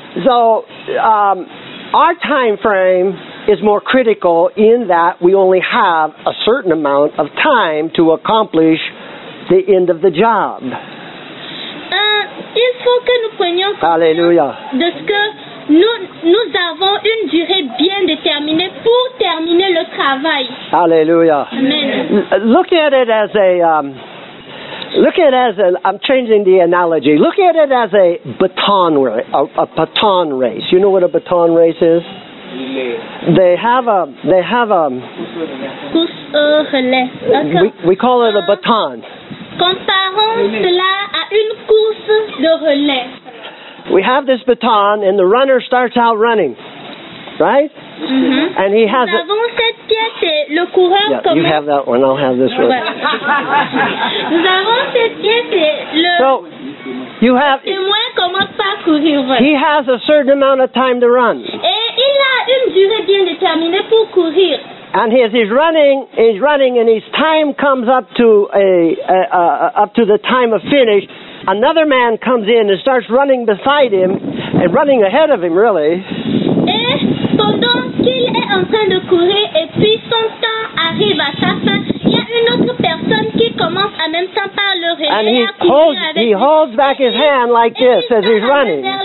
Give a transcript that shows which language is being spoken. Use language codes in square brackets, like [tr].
[en] So, our time frame is more critical in that we only have a certain amount of time to accomplish the end of the job. [fr] Il faut que nous prenions Alléluia. De ce que nous avons une durée bien déterminée pour terminer le travail. Alléluia. Amen. [en] I'm changing the analogy. Look at it as a baton race. A baton race. You know what a baton race is? They have a [fr] course relais. [en] We call it a baton. [fr] Comparons cela à une course de relais. [en] We have this baton, and the runner starts out running, right? Mm-hmm. And he has. [fr] Nous avons cette pièce et le coureur commence. [en] Yeah, you have that one. I'll have this one. [fr] Nous avons cette pièce et le. [en] So, you have. [fr] Le témoin commence pas à courir. [en] He has a certain amount of time to run. [fr] Et il a une durée bien déterminée pour courir. [en] And as he's running, and his time comes up to the time of finish, another man comes in and starts running beside him, and running ahead of him, really. [fr] Et pendant qu'il est en train de courir, et puis son temps arrive à sa fin, il y a une autre personne qui commence en même temps par le relais. [en] And he holds back his hand like this as he's running.